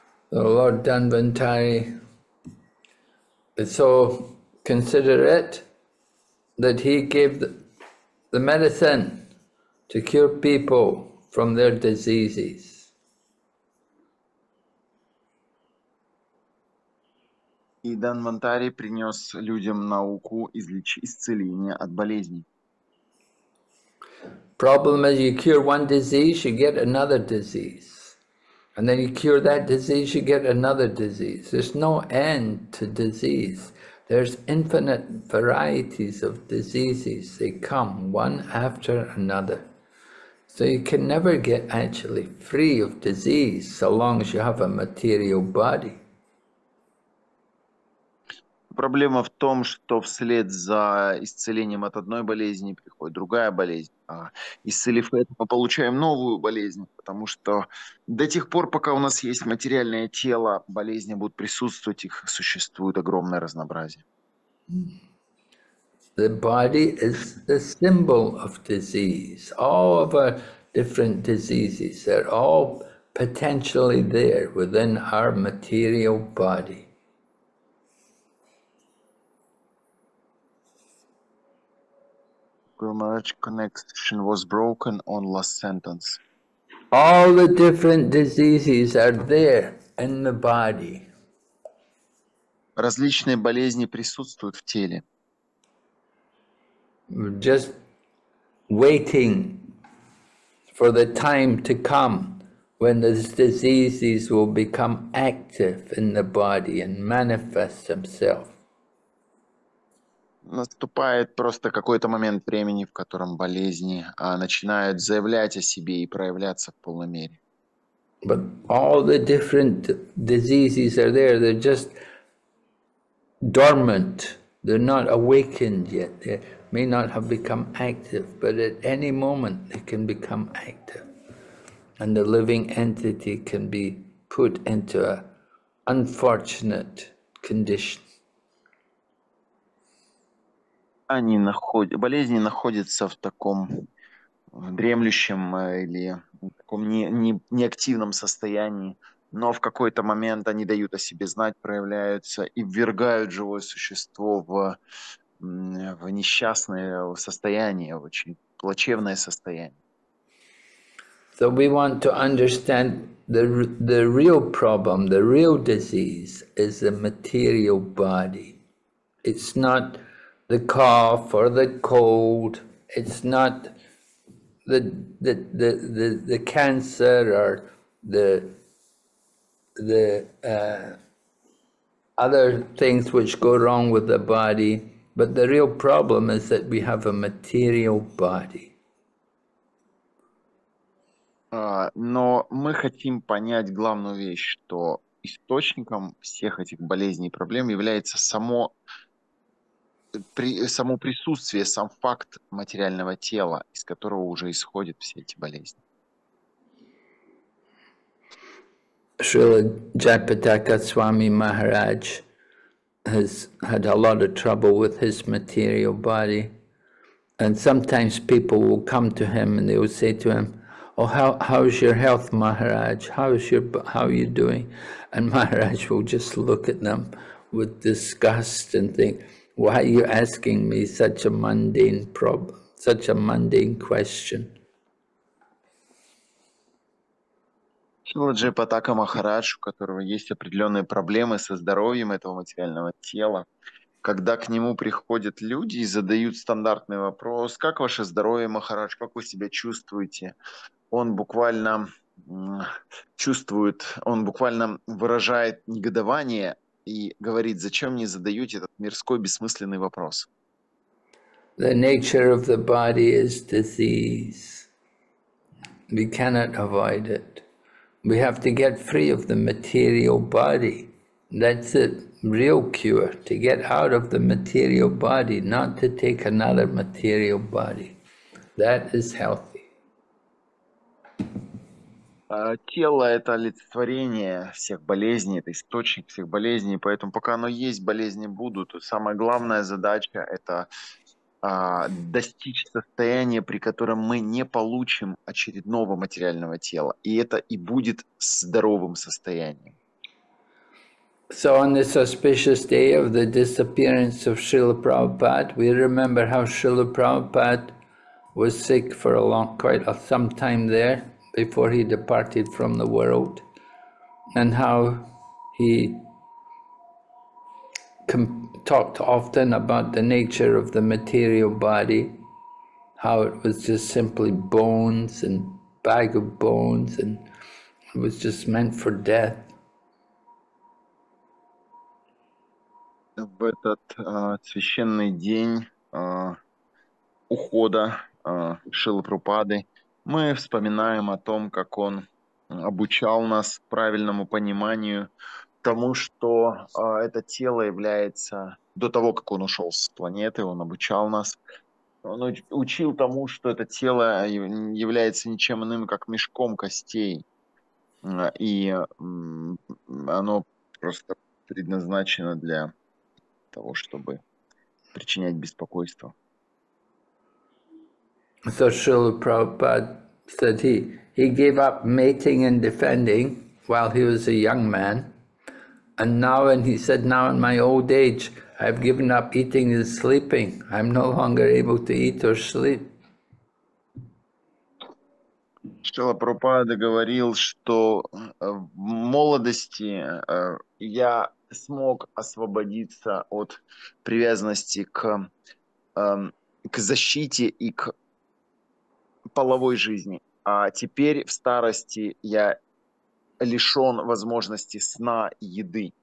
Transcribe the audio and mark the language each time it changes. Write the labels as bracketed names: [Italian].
[English] The Lord Danvantari is so considerate that he gave the medicine to cure people from their diseases. [Russian] И Данвантари принес людям науку исцеления от болезней. [English] Problem is, you cure one disease, you get another disease. And then you cure that disease, you get another disease. There's no end to disease. There's infinite varieties of diseases. They come one after another. So you can never get actually free of disease so long as you have a material body. [Russian] проблема в том, что вслед за исцелением от одной болезни приходит другая болезнь. А исцелив это, мы получаем новую болезнь, потому что до тех пор, пока у нас есть материальное тело, болезни будут присутствовать, их существует огромное разнообразие. [English] The body is the symbol of disease. All of our different diseases are all potentially there within our material body. Guru Maharaj, connection was broken on last sentence. All the different diseases are there in the body. [Russian] Различные болезни присутствуют в теле. [English] Just waiting for the time to come when these diseases will become active in the body and manifest themselves. [Russian] Наступает просто какой-то момент времени, в котором болезни начинают заявлять о себе и проявляться в полной мере. [English] But all the different diseases are there, they're just dormant, they're not awakened yet, they may not have become active, but at any moment they can become active. And the living entity can be put into an unfortunate condition. [Russian] Они находят, болезни находятся в таком дремлющем или таком неактивном состоянии, но в какой-то момент они дают о себе знать, проявляются и ввергают живое существо в несчастное состояние, в очень плачевное состояние. [English] So we want to understand the real problem, the real disease is the material body. It's not the cough or the cold, it's not the cancer or the other things which go wrong with the body, but the real problem is that we have a material body. [Russian] Но мы хотим понять главную вещь, что источником всех этих болезней и проблем является само присутствие, сам факт материального тела, из которого уже исходят все эти болезни. [English] Srila Jayapataka Swami Maharaj has had a lot of trouble with his material body, and sometimes people will come to him and they will say to him, "Oh, how's your health, Maharaj? How are you doing?" And Maharaj will just look at them with disgust and think, why are you asking me such a mundane problem, such a mundane question? [Russian] Шрила Джайапатака Махарадж, у которого есть определенные проблемы со здоровьем этого материального тела, когда к нему приходят люди и задают стандартный вопрос, как ваше здоровье, Махарадж, как вы себя чувствуете? Он буквально выражает негодование и говорит, зачем мне задаете этот мирской бессмысленный вопрос? [English] The nature of the body is disease. We cannot avoid it. We have to get free of the material body. That's the real cure, to get out of the material body, not to take another material body. That is healthy. [Russian] Тело – это олицетворение всех болезней, это источник всех болезней, поэтому пока оно есть, болезни будут. Самая главная задача – это достичь состояния, при котором мы не получим очередного материального тела, и это и будет здоровым состоянием. [English] So on this auspicious day of the disappearance of Srila Prabhupada, we remember how Srila Prabhupada was sick for some time there, before he departed from the world, and how he talked often about the nature of the material body, how it was just simply bones and bag of bones, and it was just meant for death. [Russian] В этот священный день ухода Шрилы Прабхупады мы вспоминаем о том, как он обучал нас правильному пониманию тому, что это тело является до того, как он ушел с планеты, он обучал нас. Он учил тому, что это тело является ничем иным, как мешком костей. И оно просто предназначено для того, чтобы причинять беспокойство. [English] So Srila Prabhupada said he gave up mating and defending while he was a young man. And now, and he said, now in my old age, I've given up eating and sleeping. I'm no longer able to eat or sleep. [Russian] Шрила Прабхупада говорил, что в молодости я смог освободиться от привязанности к защите и к половой жизни, а теперь в старости я лишен возможности сна и еды.